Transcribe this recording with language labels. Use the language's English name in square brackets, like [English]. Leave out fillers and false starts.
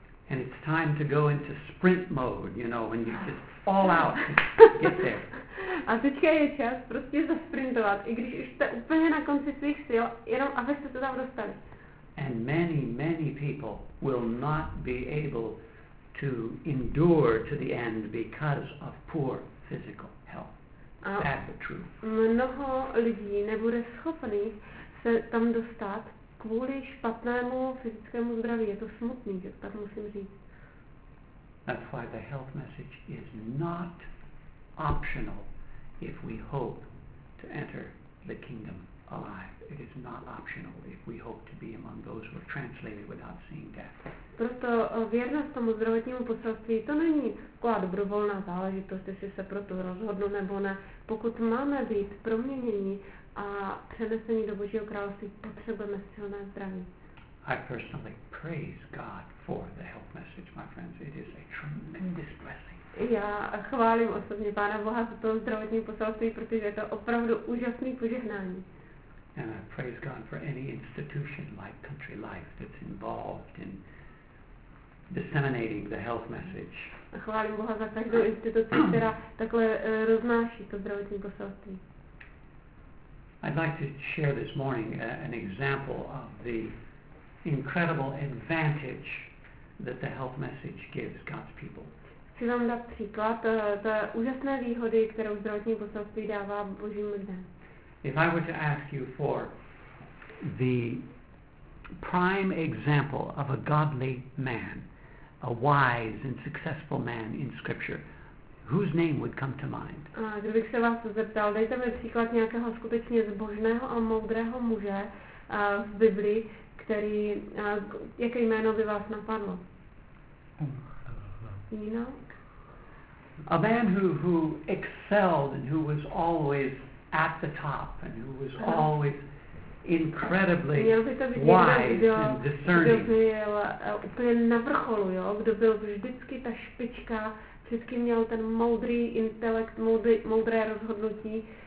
[English] And it's time to go into sprint mode, you know, when you just fall out get there. [Czech] A teďka je čas prostě zasprintovat, i když jste úplně na konci svých sil, jenom abyste to tam dostali. [English] And many, many people will not be able to endure to the end because of poor physical health. That's the truth. [Czech] Mnoho lidí nebude schopných se tam dostat kvůli špatnému fyzickému zdraví. Je to smutný, že tak musím říct. [English] That's why the health message is not optional if we hope to enter the kingdom alive. It is not optional if we hope to be among those who are translated without seeing death. [Czech] Proto věrnost tomu zdravotnímu poselství, to není taková dobrovolná záležitost, jestli se pro to rozhodnu nebo ne. Pokud máme být proměnění a přenesení do Božího království, potřebujeme silné zdraví. [English] I personally praise God for the health message, my friends. It is a tremendous blessing. [Czech] Já chválím osobně Pána Boha za to zdravotní poselství, protože je to opravdu úžasný požehnání. [English] And I praise God for any institution like Country Life that's involved in disseminating the health message. [Czech] A chválím Boha za každou instituci, která takhle roznáší to zdravotní poselství. [English] I'd like to share this morning an example of the incredible advantage that the health message gives God's people. [Czech] Chci vám dát příklad té úžasné výhody, kterou zdravotní poselství dává Božím lidem. [English] If I were to ask you for the prime example of a godly man, a wise and successful man in Scripture, whose name would come to mind? [Czech] Kdybych se vás zeptal, dejte mi příklad nějakého skutečně zbožného a moudrého muže v Bibli, který, jaké jméno by vás napadlo? [English] Enoch? A man who excelled and who was always at the top and who was always incredibly wise and discerning. [Czech] Kdo byl úplně na vrcholu, jo? Kdo byl vždycky ta špička, vždycky měl ten moudrý intelekt, moudré rozhodnutí.